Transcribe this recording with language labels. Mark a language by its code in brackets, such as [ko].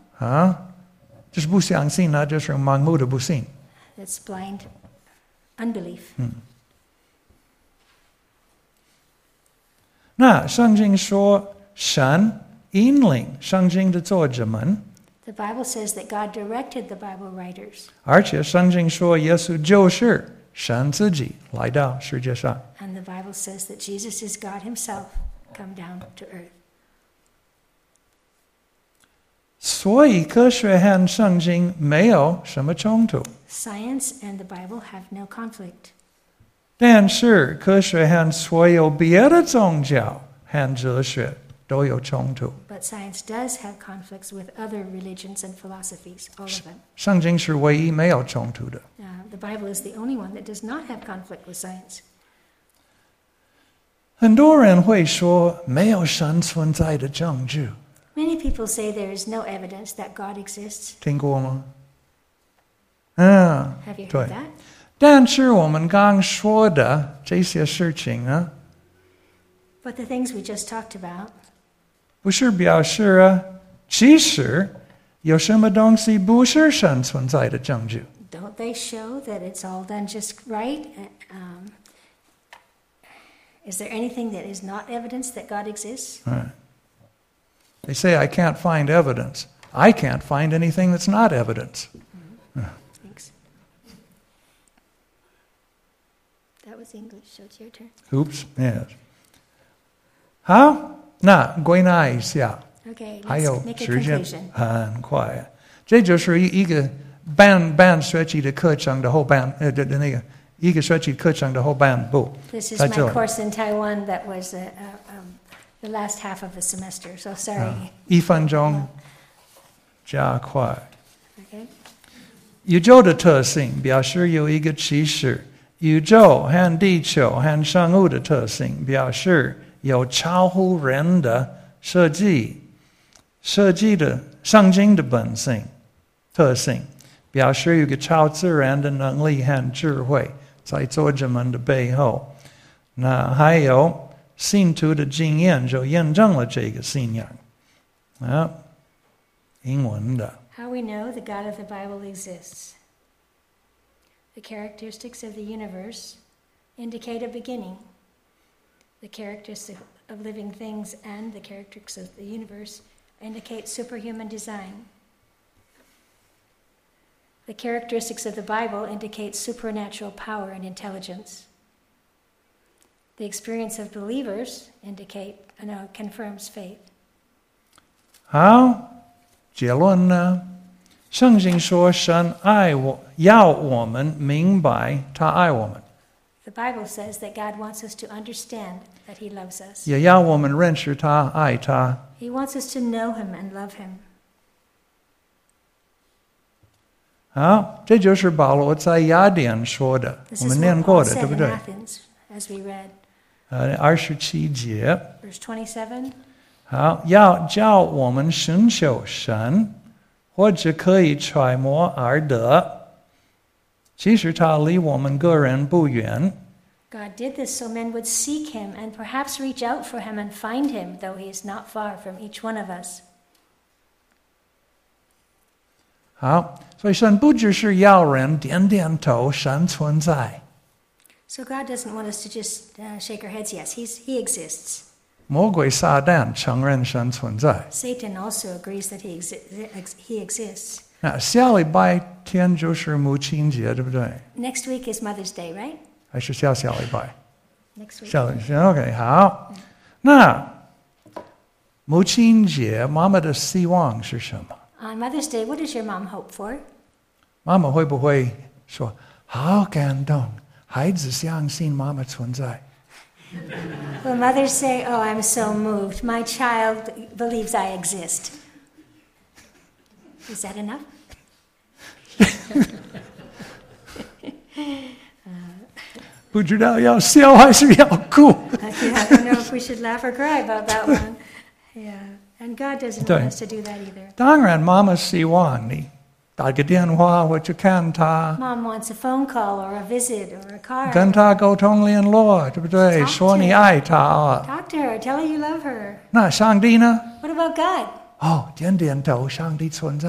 [zh] 啊，就是不相信，那就是盲目的不信。 [en] That's blind. Unbelief. [zh] 那圣经说神引领圣经的作者们。 [en] The Bible says that God directed the Bible writers. [zh] 而且圣经说耶稣就是神自己来到世界上。 [en] And the Bible says that Jesus is God himself come down to earth. [zh] 所以科学和圣经没有什么冲突。 [en] Science and the Bible have no conflict. [zh] 但是科学和所有别的宗教和哲学都有冲突。 [en] But science does have conflicts with other religions and philosophies, all of them. [zh] 圣经是唯一没有冲突的。 [en] The Bible is the only one that does not have conflict with science. [zh] 很多人会说没有神存在的证据。 [en] Many people say there is no evidence that God exists. [zh] 听过吗？ [en] Have you heard that? [zh] 但是我们刚说的这些事情啊。 [en] But the things we just talked about. [zh] 不是表示啊，其实有什么东西不是神存在的证据。 [en] Don't they show that it's all done just right? Is there anything that is not evidence that God exists? They say I can't find evidence. I can't find anything that's not evidence. English, so it's your turn. Oops, yes. [zh] 好，那归纳一下。 [en] Okay, let's make a conclusion. [zh] 很快，这就是一个半学期的课程的后半一个学期课程的后半部。 [en] This is my course in Taiwan that was the last half of the semester, so sorry. [zh] 一分钟加快。 [en] Okay. [zh] 宇宙的特性表示有一个起始。宇宙和地球和生物的特性表示有超乎人的设计，设计的圣经的本性特性表示有个超自然的能力和智慧在作者们的背后。那还有信徒的经验就验证了这个信仰。啊，英文的。 [en] How we know the God of the Bible exists. The characteristics of the universe indicate a beginning. The characteristics of living things and the characteristics of the universe indicate superhuman design. The characteristics of the Bible indicate supernatural power and intelligence. The experience of believers confirms faith. [zh] 好，结论呢？圣经说神爱我，要我们明白他爱我们。 [en] The Bible says that God wants us to understand that he loves us. [zh] 也要我们认识他，爱他。 [en] He wants us to know him and love him. [zh] 好，这就是保罗在雅典说的，我们念过的，对不对？ [en] Athens, as we read. [zh] 27节。 [en] Verse 27. [zh] 好，要叫我们寻求神。或者可以揣摩而得，其实他离我们个人不远。 [en] God did this so men would seek him and perhaps reach out for him and find him, though he is not far from each one of us. [zh] 好，所以神不只是要人点点头，神存在。 [en] So God doesn't want us to just shake our heads yes, he exists. [zh] 魔鬼撒旦承认神存在。 [en] Satan also agrees that he exists. [zh] 那下礼拜天就是母亲节，对不对 [en] ？Next week is Mother's Day, right? [zh] 还是下礼拜 [en] ？Next week. [zh] 下礼拜 OK 好。那母亲节，妈妈的希望是什么 [en] ？On Mother's Day, what does your mom hope for? [zh] 妈妈会不会说好感动，孩子相信妈妈存在？ [en] Will mothers say, oh, I'm so moved. My child believes I exist. Is that enough? [zh] 不知道要笑还是要哭。 [en] Okay, I don't know if we should laugh or cry about that one. Yeah, and God doesn't want us to do that either. [zh] 当然，妈妈希望你打个电话或者看她。 [en] Mom wants a phone call or a visit or a card. [zh] 跟她沟通联络，对不对？说你爱她。 [en] Talk to her. Tell her you love her. [zh] 那上帝呢 [en] ？What about God? [zh] 哦，点点头，上帝存在。